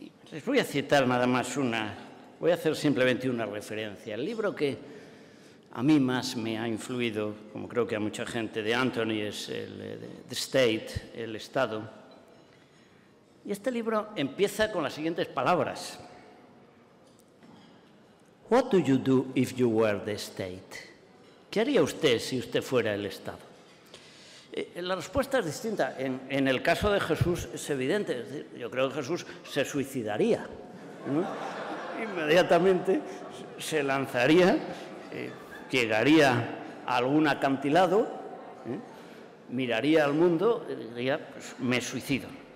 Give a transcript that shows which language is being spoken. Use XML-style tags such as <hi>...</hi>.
<es>Les voy a citar nada más una, voy a hacer simplemente una referencia. El libro que a mí más me ha influido, como creo que a mucha gente, de Anthony, es The State, el Estado. Y este libro empieza con las siguientes palabras.</es> <en>What do you do if you were the state?</en> <es>¿Qué haría usted si usted fuera el Estado? La respuesta es distinta. En el caso de Jesús es evidente. Es decir, yo creo que Jesús se suicidaría, ¿no? Inmediatamente se lanzaría, llegaría a algún acantilado, miraría al mundo y diría, pues, me suicido.</es>